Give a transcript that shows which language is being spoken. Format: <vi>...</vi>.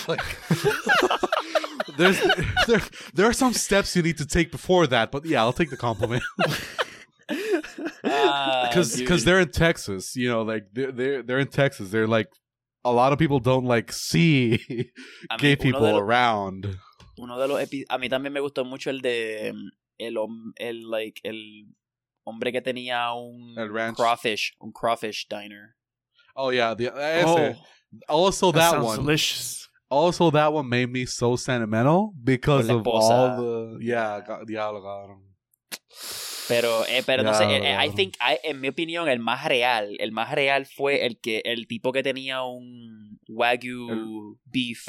<en>Like, there are some steps you need to take before that, but yeah, I'll take the compliment. Because they're in Texas, you know, like, they're in Texas. They're, like, a lot of people don't, like, see gay people around.</en> <es>Uno de los a mí también me gustó mucho el de el hombre que tenía un crawfish diner.</es> <en>Oh yeah, the ese. Oh, also that one. Delicious. Also, that one made me so sentimental because of all the...</en> <es>Yeah, diablo, cabrón. Pero,</es> <en>I think,</en> <es>en mi opinión, el más real fue el que el tipo que tenía un Wagyu beef.</es>